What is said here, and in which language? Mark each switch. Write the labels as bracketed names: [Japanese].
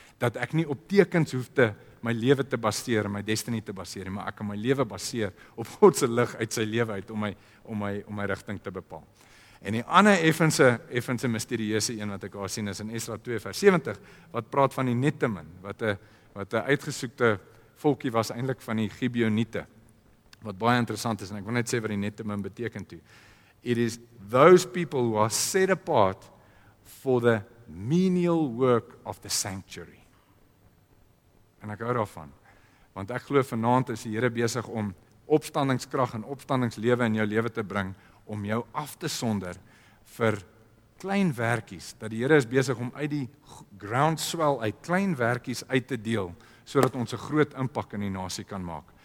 [Afrikaans] Dat ek nie op tekens hoef te my lewe te baseer, my destiny te baseer, maar ek kan my lewe baseer op God se lig uit sy lewe uit om my rigting te bepaal. En die ander effense misterieuse een wat ek daar sien is in Ezra 2 vers 70 wat praat van die Netamin wat 'n uitgesoekte volkie was eintlik van die Gibeoniete wat baie interessant is en ek wil net sê wat die Netamin beteken toe. [English] It is those people who are set apart for the menial work of the sanctuary. [Afrikaans] En ek hou daarvan want ek glo vanaand is die Here besig om opstandingskrag en opstandingslewe in jou lewe te bring om jou af te sonder vir klein werkies, dat die Here is besig om uit die groundswell uit klein werkies uit te deel, sodat ons 'n groot impak in die nasie kan maak.